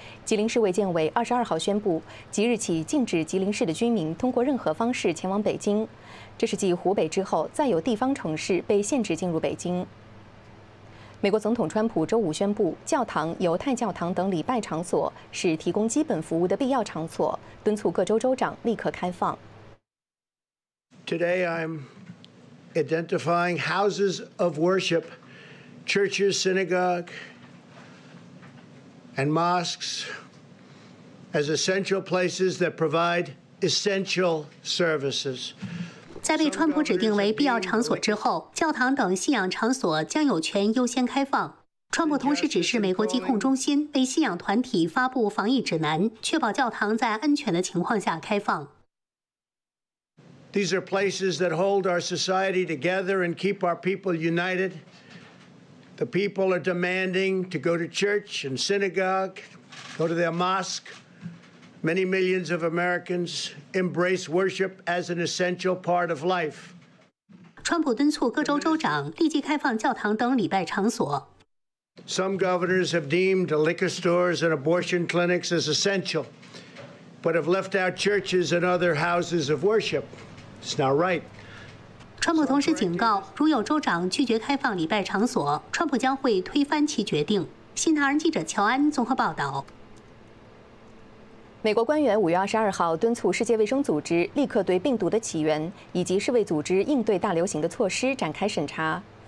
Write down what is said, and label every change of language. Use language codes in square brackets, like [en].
[zh] 吉林市卫健委22号宣布，即日起禁止吉林市的居民通过任何方式前往北京，这是继湖北之后再有地方城市被限制进入北京。美国总统川普周五宣布，教堂、犹太教堂等礼拜场所是提供基本服务的必要场所，敦促各州州长立刻开放。 [en] Today I'm identifying houses of worship, churches, synagogue, and mosques as essential places that provide essential services. [zh] 在被川普指定为必要场所之后，教堂等信仰场所将有权优先开放。川普同时指示美国疾控中心为信仰团体发布防疫指南，确保教堂在安全的情况下开放。 [en] These are places that hold our society together and keep our people united. The people are demanding to go to church and synagogue, go to their mosque. Many millions of Americans embrace worship as an essential part of life. [zh] 川普敦促各州州长立即开放教堂等礼拜场所。 [en] Some governors have deemed liquor stores and abortion clinics as essential, but have left out churches and other houses of worship. It's not right. [zh] 川普同时警告，如有州长拒绝开放礼拜场所，川普将会推翻其决定。新唐人记者乔安综合报道。美国官员5月22号敦促世界卫生组织立刻对病毒的起源以及世卫组织应对大流行的措施展开审查。